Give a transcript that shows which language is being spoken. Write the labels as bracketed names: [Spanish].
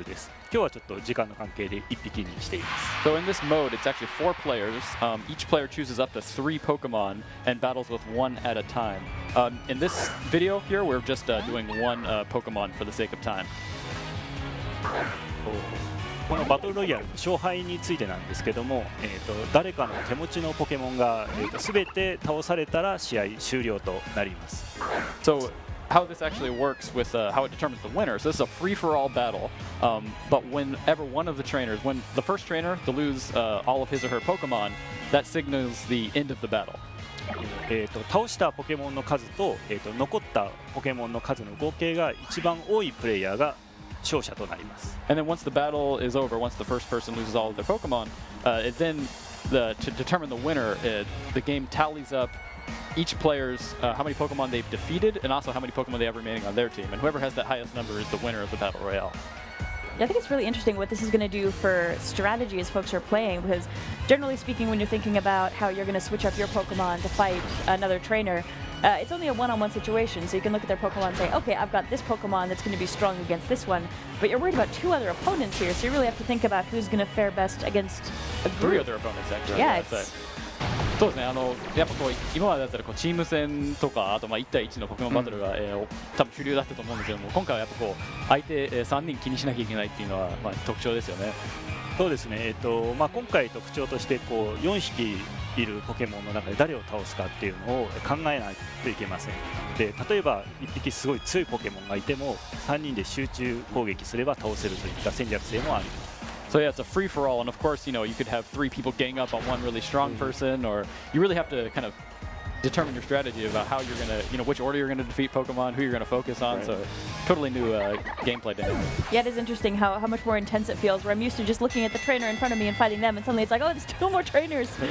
[Japanese] このバトルロイヤルなんですけども、4人のプレイヤーがポケモンを3匹ずつバトルに出して戦うというルールです。今日はちょっと時間の関係で1匹にしています。 [English] So in this mode, it's actually four players. Each player chooses up to three Pokemon and battles with one at a time. In this video here, we're just doing one Pokemon for the sake of time. [Japanese] このバトルロイヤル勝敗についてなんですけども、誰かの手持ちのポケモンが、全て倒されたら試合終了となります。 [English] So how this actually works with how it determines the winner. So this is a free for all battle. But whenever one of the trainers, when the first trainer to lose all of his or her Pokemon, that signals the end of the battle. [Japanese] 倒したポケモンの数と、残ったポケモンの数の合計が一番多いプレイヤーが勝者となります。 [English] And then once the battle is over, once the first person loses all of their Pokemon, to determine the winner, the game tallies up each player's how many Pokemon they've defeated and also how many Pokemon they have remaining on their team. And whoever has that highest number is the winner of the Battle Royale. Yeah, I think it's really interesting what this is going to do for strategy as folks are playing, because generally speaking, when you're thinking about how you're going to switch up your Pokemon to fight another trainer, it's only a one-on-one situation, so you can look at their Pokemon and say, okay, I've got this Pokemon that's going to be strong against this one, but you're worried about two other opponents here, so you really have to think about who's going to fare best against a group. Three other opponents, actually. Yeah, it's... [Japanese] そうですね、あのやっぱこう今までだったらこうチーム戦とかあとまあ1対1のポケモンバトルが、うん多分主流だったと思うんですけども、今回はやっぱこう相手、3人気にしなきゃいけないっていうのは、まあ、特徴ですよね。そうですね、まあ、今回特徴としてこう4匹いるポケモンの中で誰を倒すかっていうのを考えないといけません。で、例えば1匹すごい強いポケモンがいても3人で集中攻撃すれば倒せるといった戦略性もあります。 [English] So yeah, it's a free-for-all, and of course, you know, you could have three people gang up on one really strong person, or you really have to kind of determine your strategy about how you're going to, you know, which order you're going to defeat Pokemon, who you're going to focus on, right. So totally new gameplay dynamic. Yeah, it is interesting how much more intense it feels, where I'm used to just looking at the trainer in front of me and fighting them, and suddenly it's like, oh, there's two more trainers.